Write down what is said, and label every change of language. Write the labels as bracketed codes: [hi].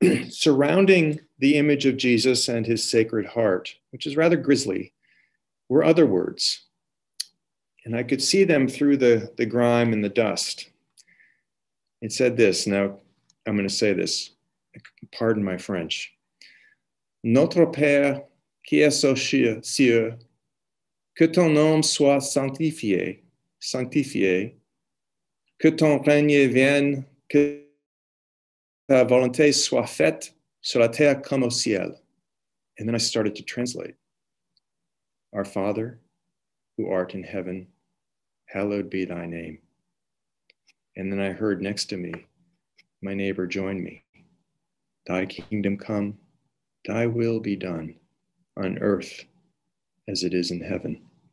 [en] Surrounding the image of Jesus and his Sacred Heart, which is rather grisly, were other words. And I could see them through the grime and the dust. It said this, now I'm going to say this, pardon my French. [fr] "Notre Père, qui es aux cieux, que ton nom soit sanctifié, sanctifié, que ton règne vienne, que ta volonté soit faite sur la terre comme au ciel." [en] And then I started to translate. "Our Father, who art in heaven, hallowed be thy name." And then I heard next to me, my neighbor join me. "Thy kingdom come, thy will be done on earth as it is in heaven."